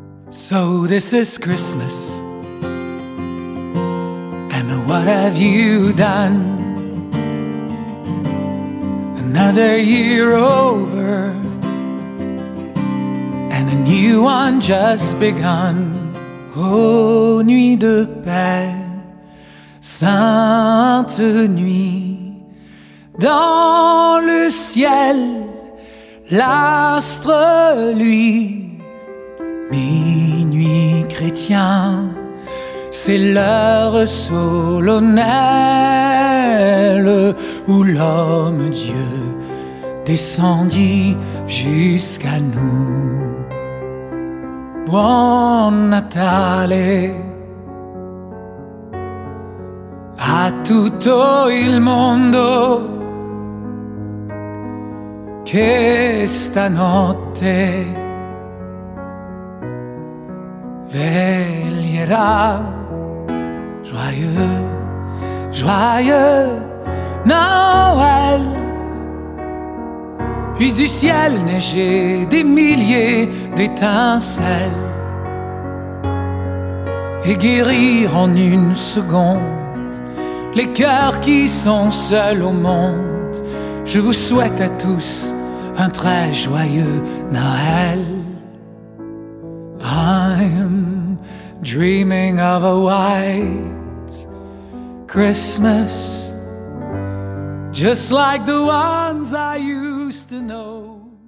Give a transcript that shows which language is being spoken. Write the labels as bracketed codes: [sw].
[en] So this is Christmas, and what have you done? Another year over, and a new one just begun. [fr] Oh, nuit de paix, sainte nuit, dans le ciel, l'astre lui, minuit chrétien, c'est l'heure solennelle où l'homme Dieu descendit jusqu'à nous. [it] Buon Natale a tutto il mondo, che stanotte veglierà. [fr] Joyeux, joyeux Noël. Puis du ciel neiger des milliers d'étincelles et guérir en une seconde les cœurs qui sont seuls au monde. Je vous souhaite à tous un très joyeux Noël. [en] I'm dreaming of a white Christmas, just like the ones I used to know.